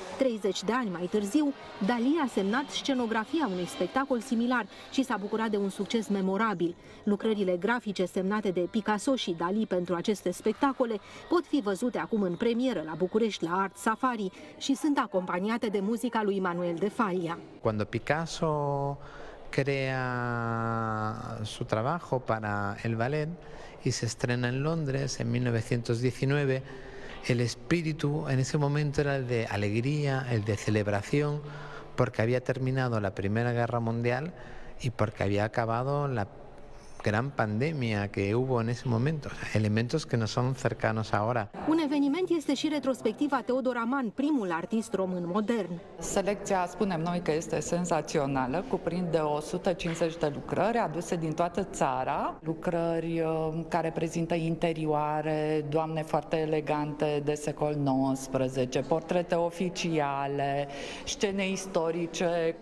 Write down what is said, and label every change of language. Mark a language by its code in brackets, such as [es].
[ro] 30 de ani mai târziu, Dalí a semnat scenografia unui spectacol similar și s-a bucurat de un succes memorabil. Lucrările grafice semnate de Picasso și Dalí pentru aceste spectacole pot fi văzute acum în premieră la București, la Art Safari, și sunt acompaniate de muzica lui Manuel de Falla. [es] Când Picasso crea su trabajo para el ballet y se estrena en Londres en 1919, el espíritu en ese momento era el de alegría, el de celebración, porque había terminado la Primera Guerra Mundial y porque había acabado la gran pandemia que hubo en ese momento, elementos que no son cercanos ahora. [ro] Un eveniment este și retrospectiva Teodor Aman, primul artist român modern. Selecția, spunem noi că este senzațională, cuprinde 150 de lucrări aduse din toată țara, lucrări care prezintă interioare, doamne foarte elegante de secol XIX, portrete oficiale, scene istorice.